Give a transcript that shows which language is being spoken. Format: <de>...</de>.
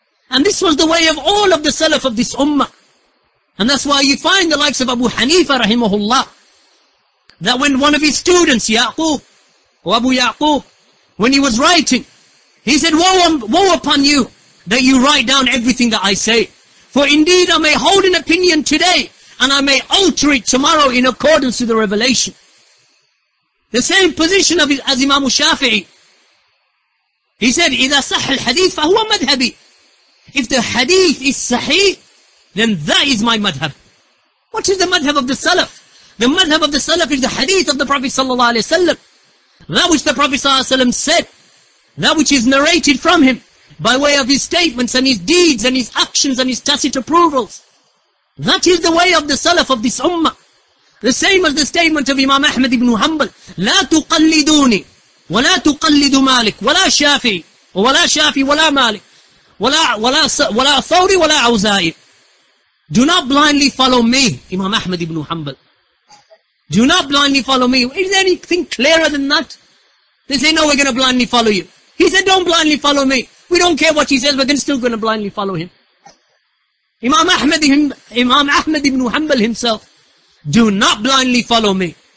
<en>And this was the way of all of the Salaf of this Ummah. And that's why you find the likes of Abu Hanifa rahimahullah, that when one of his students, Ya'qub, or Abu Ya'qub, when he was writing, he said, woe upon you that you write down everything that I say. For indeed I may hold an opinion today, and I may alter it tomorrow in accordance with the revelation. The same position of as Imam Shafi'i. He said,</en> <ar>إِذَا صَحَّ الْحَدِيثِ فَهُوَ مَذْهَبِي.</ar> <en>If the hadith is sahih, then that is my madhab. What is the madhab of the Salaf? The madhab of the Salaf is the hadith of the Prophet sallallahu alaihi wasallam. That which the Prophet sallallahu alaihi wasallam said, that which is narrated from him, by way of his statements and his deeds and his actions and his tacit approvals. That is the way of the Salaf of this Ummah. The same as the statement of Imam Ahmad ibn Hanbal,</en> <ar>لا تقلدوني ولا تقلد مالك ولا شافعي ولا شافعي ولا مالك ولا ثوري ولا عوزائي.</ar> <en>Do not blindly follow me, Imam Ahmad ibn Hanbal. Do not blindly follow me. Is there anything clearer than that? They say, no, we're going to blindly follow you. He said, don't blindly follow me. We don't care what he says, but then still going to blindly follow him. Imam Ahmad ibn Hanbal himself, do not blindly follow me.</en>